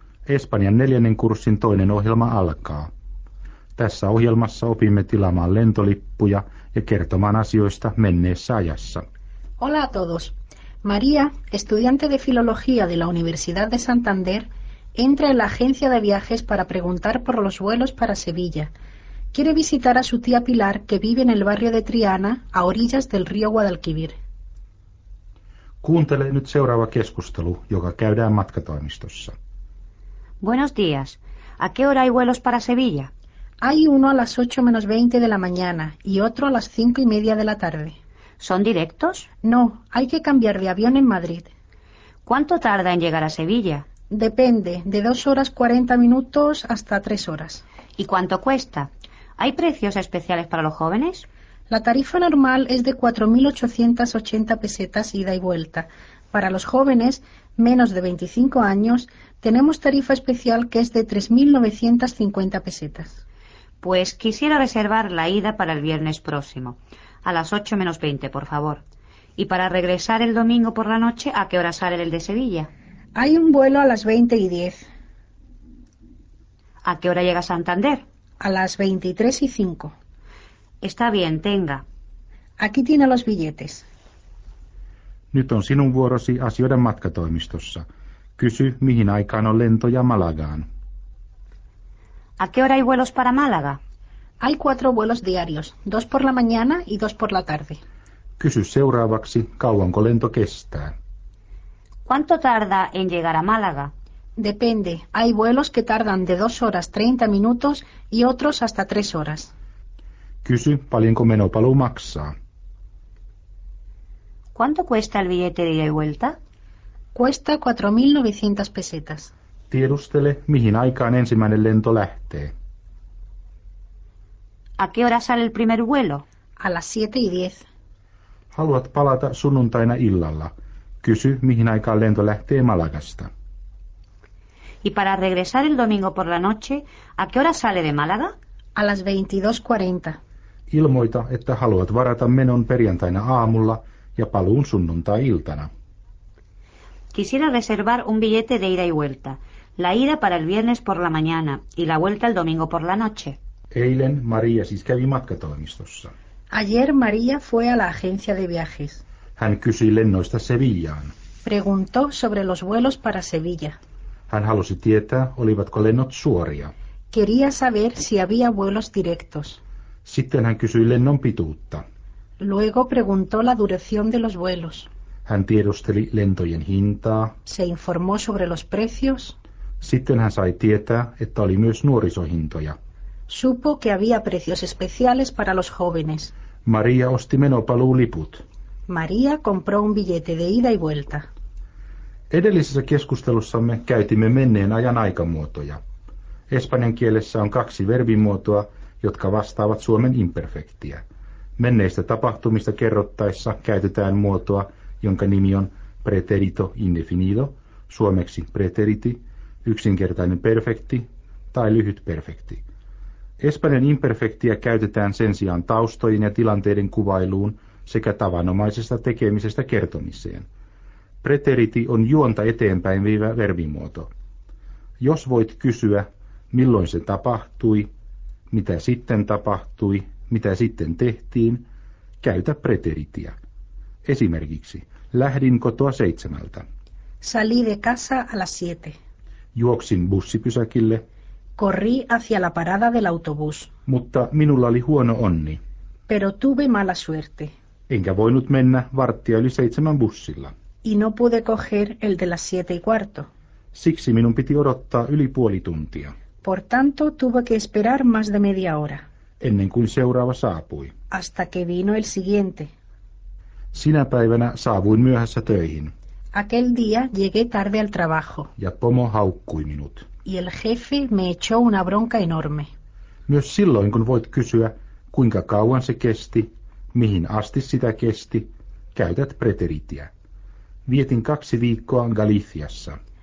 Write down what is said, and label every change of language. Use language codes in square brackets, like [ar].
[fi] Espanjan neljännen kurssin toinen ohjelma alkaa. Tässä ohjelmassa opimme tilaamaan lentolippuja ja kertomaan asioista menneessä ajassa. [es] Hola a todos. María, estudiante de filología de la Universidad de Santander, entra en la agencia de viajes para preguntar por los vuelos para Sevilla. Quiere visitar a su tía Pilar, que vive en el barrio de Triana, a orillas del río Guadalquivir. [fi] Kuuntele nyt seuraava keskustelu, joka käydään matkatoimistossa. [es] Buenos días. ¿A qué hora hay vuelos para Sevilla? Hay uno a las 8:20 de la mañana y otro a las 5:30 de la tarde. ¿Son directos? No, hay que cambiar de avión en Madrid. ¿Cuánto tarda en llegar a Sevilla? Depende, de 2 horas 40 minutos hasta 3 horas. ¿Y cuánto cuesta? ¿Hay precios especiales para los jóvenes? La tarifa normal es de 4.880 pesetas ida y vuelta. Para los jóvenes, menos de 25 años, tenemos tarifa especial que es de 3.950 pesetas. Pues quisiera reservar la ida para el viernes próximo, a las 8:20, por favor. Y para regresar el domingo por la noche, ¿a qué hora sale el de Sevilla? Hay un vuelo a las 20:10. ¿A qué hora llega Santander? A las 23:05. Está bien, tenga. Aquí tiene los billetes. [fi] Nyt on sinun vuorosi asioida matkatoimistossa. Kysy, mihin aikaan on lentoja Malagaan. [es] ¿A qué hora hay vuelos para Málaga? Hay 4 vuelos diarios, 2 por la mañana y 2 por la tarde. [fi] Kysy seuraavaksi, kauanko lento kestää. [es] ¿Cuánto tarda en llegar a Málaga? Depende. Hay vuelos que tardan de 2 horas 30 minutos y otros hasta 3 horas. [fi] Kysy, paljonko menopalu maksaa. [es] ¿Cuánto cuesta el billete de ida y vuelta? Cuesta 4.900 pesetas. [fi] Tiedustele, mihin aikaan ensimmäinen lento lähtee. [es] ¿A qué hora sale el primer vuelo? A las 7:10. [fi] Haluat palata sunnuntaina illalla. Kysy, mihin aikaan lento lähtee Malagasta. [es] Y para regresar el domingo por la noche, ¿a qué hora sale de Málaga? A las 22:40. [fi] Ilmoita, että haluat varata menon perjantaina aamulla ja paluun sunnuntai-iltana. [es] Quisiera reservar un billete de ida y vuelta. La ida para el viernes por la mañana y la vuelta el domingo por la noche. [fi] Eilen María siis kävi matkatoimistossa. [es] Ayer María fue a la agencia de viajes. [fi] Hän kysyi lennoista Sevillaan. [es] Preguntó sobre los vuelos para Sevilla. [fi] Hän halusi tietää, olivatko lennot suoria. [es] Quería saber si había vuelos directos. [fi] Sitten hän kysyi lennon pituutta. [es] Luego preguntó la duración de los vuelos. [fi] Hän tiedusteli lentojen hintaa. [es] Se informó sobre los precios. [fi] Sitten hän sai tietää, että oli myös nuorisohintoja. [es] Supo que había precios especiales para los jóvenes. [fi] María osti menopaluuliput. [es] María compró un billete de ida y vuelta. [fi] Edellisessä keskustelussamme käytimme menneen ajan aikamuotoja. Espanjan kielessä on 2 verbimuotoa, jotka vastaavat suomen imperfektiä. Menneistä tapahtumista kerrottaessa käytetään muotoa, jonka nimi on preterito indefinido, suomeksi preteriti, yksinkertainen perfekti tai lyhyt perfekti. Espanjan imperfektiä käytetään sen sijaan taustojen ja tilanteiden kuvailuun sekä tavanomaisesta tekemisestä kertomiseen. Preteriti on juonta eteenpäin viivä verbimuoto. Jos voit kysyä, milloin se tapahtui, mitä sitten tapahtui, mitä sitten tehtiin, käytä preteritiä. Esimerkiksi, lähdin kotoa 7:00. [es] Salí de casa a las 7:00. [fi] Juoksin bussipysäkille. [es] Corrí hacia la parada del autobús. [fi] Mutta minulla oli huono onni. [es] Pero tuve mala suerte. [fi] Enkä voinut mennä 7:15 bussilla. [es] Y no pude coger el de las 7:15. [fi] Siksi minun piti odottaa 30 [en] minutes. [es] Por tanto, tuve que esperar más de media hora. [fi] Ennen kuin seuraava saapui. [es] Hasta que vino el siguiente. [fi] Sinä päivänä saavuin myöhässä töihin. [es] Aquel día llegué tarde al trabajo. [fi] Ja pomo haukkui minut. [es] Y el jefe me echó una bronca enorme. [fi] Myös silloin, kun voit kysyä, kuinka kauan se kesti, mihin asti sitä kesti, käytät preteritiä. Vietin 2 viikkoa Galiciassa.